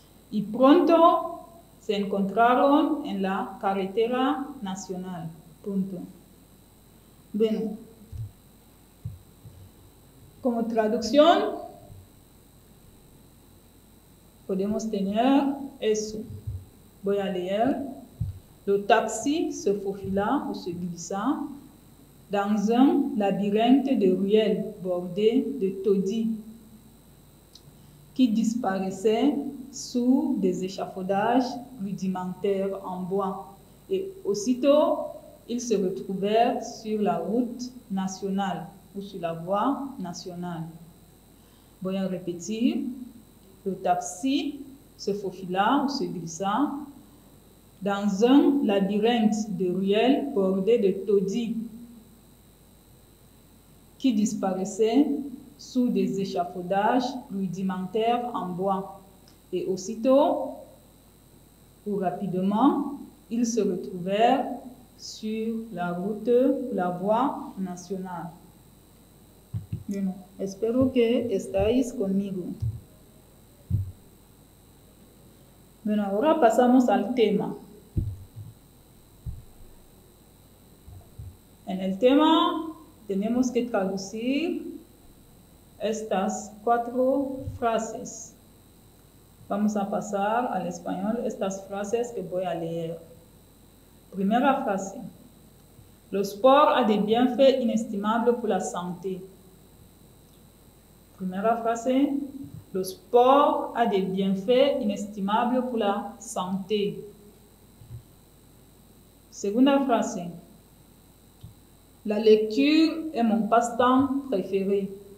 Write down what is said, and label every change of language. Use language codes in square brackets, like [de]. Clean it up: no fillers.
[es] Y pronto se encontraron en la carretera nacional. Punto. Bueno, como traducción podemos tener eso. Voy a leer. [fr] Le taxi se faufila ou se glissa dans un labyrinthe de ruelles bordées de taudis qui disparaissaient sous des échafaudages rudimentaires en bois et aussitôt ils se retrouvèrent sur la route nationale ou sur la voie nationale. Voyant répétir, le taxi se faufila ou se glissa dans un labyrinthe de ruelles bordées de taudis qui disparaissaient sous des échafaudages rudimentaires en bois. Et aussitôt, ou rapidement, ils se retrouvèrent sur la route, la voie nationale. [es] Bueno, espero que estáis conmigo. Bueno, ahora pasamos al tema. En el tema tenemos que traducir estas cuatro frases. Vamos a pasar al español estas frases que voy a leer. Primera frase. [fr] Le sport a des bienfaits inestimables pour la santé. [es] Primera frase. [fr] Le sport a des bienfaits inestimables pour la santé. [es] Segunda frase. [fr] La lecture est mon passe-temps préféré.